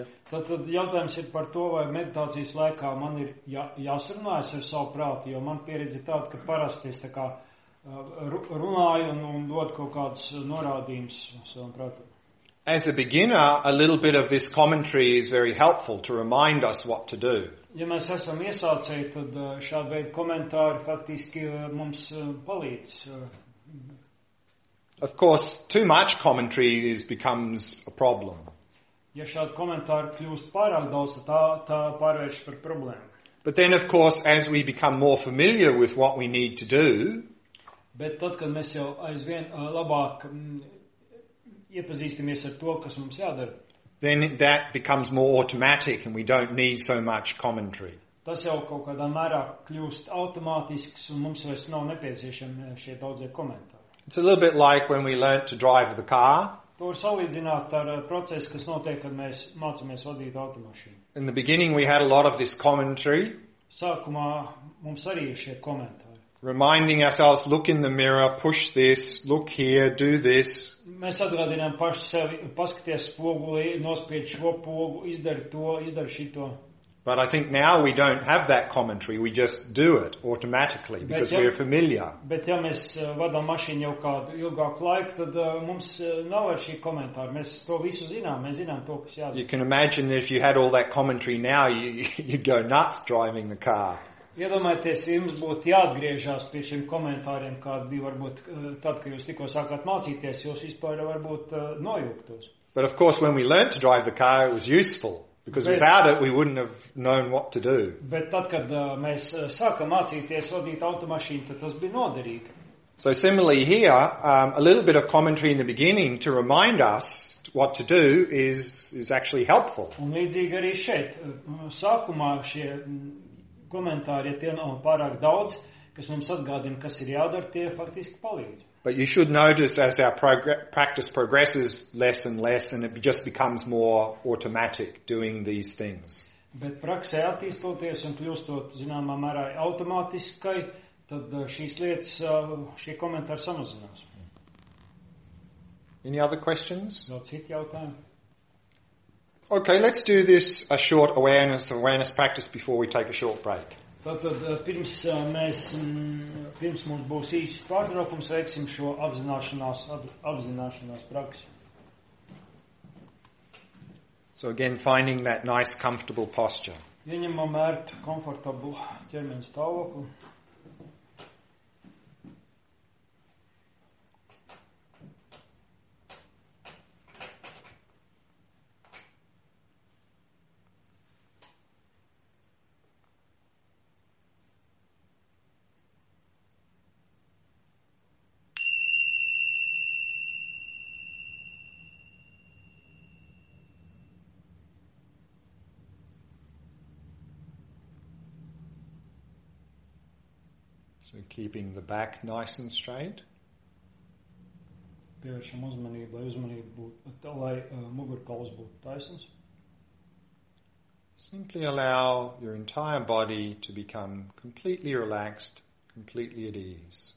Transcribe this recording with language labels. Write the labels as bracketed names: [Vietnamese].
[Latvian] Tad jautājums ir par to, vai meditācijas laikā man ir jāsarunājas ar savu prātu, jo man pieredze ir tāda, ka parasti es tā kā runāju un dodu kaut kādus norādījumus savam prātam. [English] As a beginner, a little bit of this commentary is very helpful to remind us what to do. [Latvian] Ja mēs esam iesācēji, tad šāda veida komentāri faktiski mums palīdz. [English] Of course, too much commentary becomes a problem. [Latvian] Ja šādi komentāri kļūst pārāk daudz, tā pārvērš par problēmu. [English] But then, of course, as we become more familiar with what we need to do, [Latvian] bet tad, kad mēs jau aizvien labāk iepazīstamies ar to, kas mums jādara, [English] then that becomes more automatic and we don't need so much commentary. [Latvian] Tas jau kaut kādā mērā kļūst automātisks un mums vairs nav nepieciešami šie daudzie komentāri. [English] It's a little bit like when we learnt to drive the car. [Latvian] To var salīdzināt ar procesu, kas notiek, kad mēs mācāmies vadīt automašīnu. [English] In the beginning we had a lot of this commentary. [Latvian] Sākumā mums arī ir šie komentāri. [English] Reminding ourselves, look in the mirror, push this, look here, do this. [Latvian] Mēs atgādinām paši sevi, paskaties spoguli, nospied šo pogu, izdari to, izdari šito. [English] But I think now we don't have that commentary, we just do it automatically because we're familiar. [Latvian] Bet ja mēs vadām mašīnu jau kādu ilgāku laiku, tad mums nav ar šī komentāru. Mēs to visu zinām, mēs zinām to, kas jādara. [English] You can imagine if you had all that commentary now, you'd go nuts driving the car. [Latvian] Iedomājieties, jums būtu jāatgriežās pie šiem komentāriem, kādi bija varbūt tad, kad jūs tikko sākāt mācīties, jūs vispār varbūt nojūktos. [English] But of course, when we learned to drive the car, it was useful. Because without it, we wouldn't have known what to do. [Latvian] Bet tad, kad mēs sākam mācīties vadīt automašīnu, tad tas bija noderīgi. [English] So similarly here, a little bit of commentary in the beginning to remind us what to do is actually helpful. [Latvian] Un līdzīgi arī šeit, sākumā šie komentāri, ja tie nav pārāk daudz, kas mums atgādina, kas ir jādara, tie faktiski palīdz. [English] But you should notice as our practice progresses less and less and it just becomes more automatic doing these things. [Latvian] Bet praksē attīstoties un kļūstot, zināmā mērā, automātiskai, tad šīs lietas, šie komentāri samazinās. [English] Any other questions? [Latvian] No citu jautājumu. [English] Okay, let's do this a short awareness practice before we take a short break. [Latvian] Tātad pirms mums būs īsts pārtraukums, veiksim šo apzināšanās praksi. [English] So again, finding that nice, comfortable posture. [Latvian] Ieņemam ērtu, komfortablu ķermeņa stāvokli. [English] So keeping the back nice and straight. [Latvian] Pievēršam uzmanību, lai uzmanība būtu, lai mugurkauls būtu taisns. [English] Simply allow your entire body to become completely relaxed, completely at ease.